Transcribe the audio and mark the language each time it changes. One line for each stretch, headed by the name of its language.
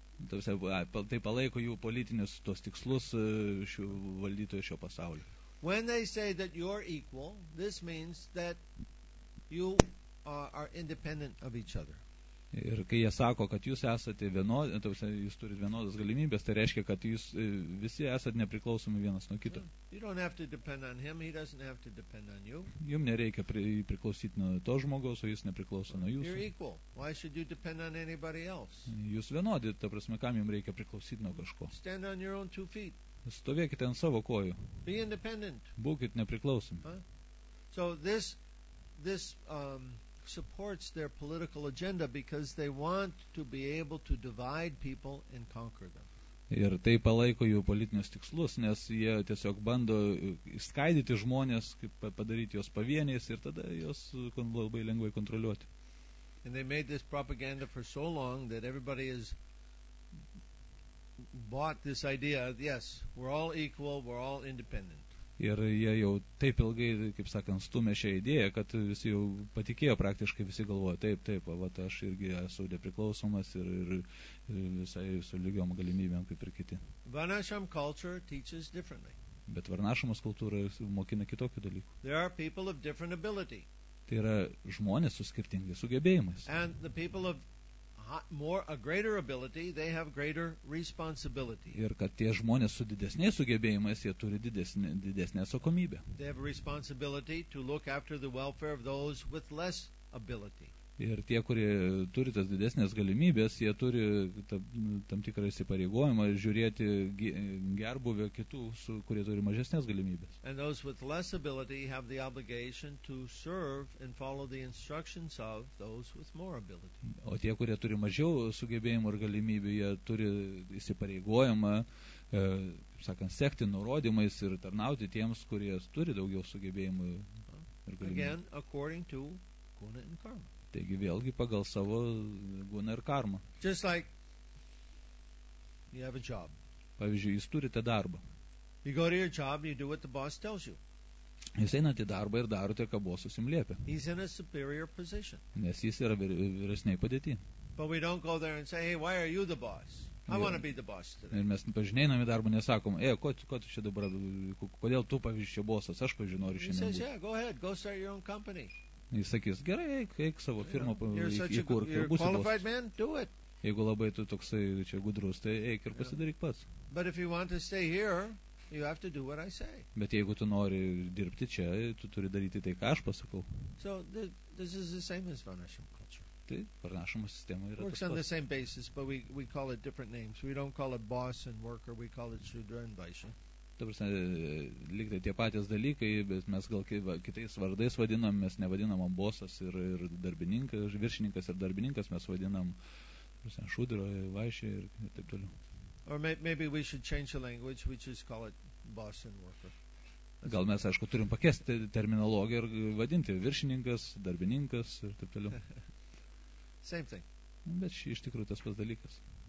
Lithuanian: Tai palaiko jų politinius tos tikslus šių valdytojų šio pasaulio.
English: When they say that you're equal, this means that you are independent of each other.
Lithuanian: Ir kai jie sako, kad jūs esate vienodi, jūs turite vienodas galimybės, tai reiškia, kad jūs visi esate nepriklausomi vienas nuo kito.
English: You don't have to depend on him, he doesn't have to depend on you.
Lithuanian: Jum nereikia priklausyti nuo to žmogaus, o jis nepriklauso nuo jūsų.
English: You're equal. Why should you depend on anybody else?
Lithuanian: Jūs vienodi, ta prasme, kam jums reikia priklausyti nuo kažko?
English: Stand on your own two feet.
Lithuanian: Stovėkite ant savo kojų.
English: Be independent.
Lithuanian: Būkit nepriklausomi.
English: So this supports their political agenda because they want to be able to divide people and conquer them.
Lithuanian: Ir tai palaiko jų politinius tikslus, nes jie tiesiog bando skaidyti žmonės, kaip padaryti jos pavieniais ir tada jos labai lengvai kontroliuoti.
English: And they made this propaganda for so long that everybody has bought this idea, yes, we're all equal, we're all independent.
Lithuanian: Ir jie jau taip ilgai, kaip sakant, stumė šią idėją, kad visi jau patikėjo praktiškai, visi galvojo, taip, va, aš irgi esu nepriklausomas ir visai su lygiom galimybėm, kaip ir kiti.
English: Varnasham culture teaches differently.
Lithuanian: Bet varnašamos kultūra mokina kitokių dalykų.
English: There are people of different ability.
Lithuanian: Tai yra žmonės su skirtingais sugebėjimais.
English: And the people of a greater ability, they have greater responsibility.
Lithuanian: Ir kad tie žmonės su didesniais sugebėjimais, jie turi didesnę atsakomybę.
English: They have responsibility to look after the welfare of those with less ability.
Lithuanian: Ir tie, kurie turi tas didesnės galimybės, jie turi tam tikrą įsipareigojimą žiūrėti gerbuvio kitų, kurie turi mažesnės galimybės.
English: And those with less ability have the obligation to serve and follow the instructions of those with more ability.
Lithuanian: O tie, kurie turi mažiau sugebėjimų ir galimybių, jie turi įsipareigojimą, sakant, sekti nurodymais ir tarnauti tiems, kurie turi daugiau sugebėjimų ir galimybių.
English: Again, according to guna and karma.
Lithuanian: Taigi vėlgi pagal savo guną ir karmą.
English: Just like you have a job.
Lithuanian: Pavyzdžiui, jūs turite darbą.
English: You go to your job and you do what the boss tells you.
Lithuanian: Jūs einate į darbą ir darote, ką bosas jums liepia.
English: He's in a superior position.
Lithuanian: Nes jis yra vyresnėje padėtyje.
English: But we don't go there and say, hey, why are you the boss? I want to be the boss today.
Lithuanian: Ir mes pažinėjame į darbą, nesakom, ei, ko tu čia dabar, kodėl tu, pavyzdžiui, čia bosas, aš pažinau ir šiandien.
English: He says, yeah, go ahead, go start your own company.
Lithuanian: Jis sakys, gerai, eik savo firmą įkurk, ir būsi
English: qualified bos. Man, do it.
Lithuanian: Jeigu labai tu toksai čia gudrus, tai eik ir pasidaryk pats.
English: But if you want to stay here, you have to do what I say.
Lithuanian: Bet jeigu tu nori dirbti čia, tu turi daryti tai, ką aš pasakau.
English: So, this is the same as Varnashram culture.
Lithuanian: Tai Varnashramo sistema yra
English: works on the same basis, but we call it different names. We don't call it boss and worker, we call it Shudra and Vaishya.
Lithuanian: Dabar liktai tie patys dalykai, bet mes gal kitais vardais vadinam, mes nevadinam bosas ir darbininkas, viršininkas ir darbininkas, mes vadinam šudro, vaišė ir taip toliau.
English: Or maybe we should change the language, we just call it boss and worker.
Lithuanian: Gal mes, aišku, turim pakeisti terminologiją ir vadinti viršininkas, darbininkas ir taip toliau.
English: Same thing.
Lithuanian: Bet ši iš tikrųjų tas pats dalykas.